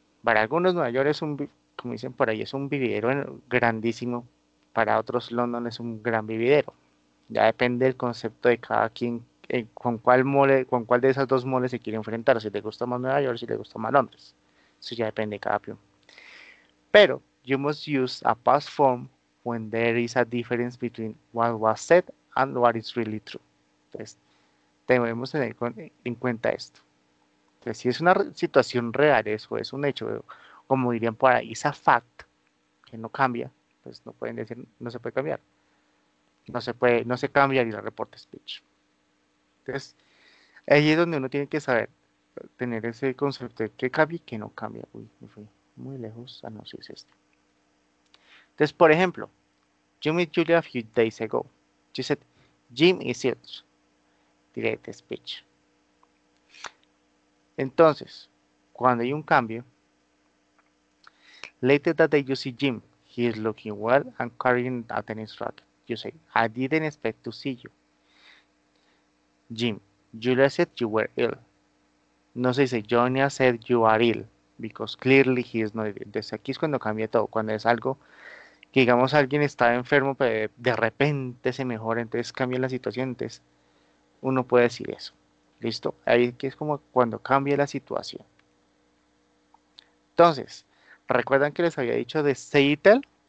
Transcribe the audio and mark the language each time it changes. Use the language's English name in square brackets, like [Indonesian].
[Spanish] Para algunos, Nueva York es un, como dicen por ahí, es un vividero grandísimo. Para otros, London es un gran vividero. Ya depende del concepto de cada quien, con cuál de esas dos moles se quiere enfrentar. Si le gusta más Nueva York, si le gusta más Londres. Eso ya depende de cada quien. [English] Pero you must use a past form when there is a difference between what was said and what is really true. [Spanish] Entonces, debemos tener en cuenta esto. Entonces, si es una situación real, eso es un hecho, como dirían por ahí, [English] is a fact, [Spanish] que no cambia, pues no pueden decir, no se puede cambiar. No se puede, no se cambia el report speech. Entonces, ahí es donde uno tiene que saber, tener ese concepto de qué cambia y qué no cambia. Uy, me fui muy lejos. Ah, no, si es este. Entonces, por ejemplo, [English] you met Julia a few days ago. She said, Jim is it. Direct speech. [Spanish] Entonces, cuando hay un cambio, [English] later that day you see Jim. He is looking well and carrying a tennis racket. You say, I didn't expect to see you. Jim, Julia said you were ill. [Spanish] No se dice, [English] Johnny said you are ill. Because clearly he is not ill. [Spanish] Desde aquí es cuando cambia todo. Cuando es algo que, digamos, alguien está enfermo, pero de repente se mejora, entonces cambia la situación. Entonces, uno puede decir eso. ¿Listo? Ahí es como cuando cambia la situación. Entonces, ¿recuerdan que les había dicho de say it tell?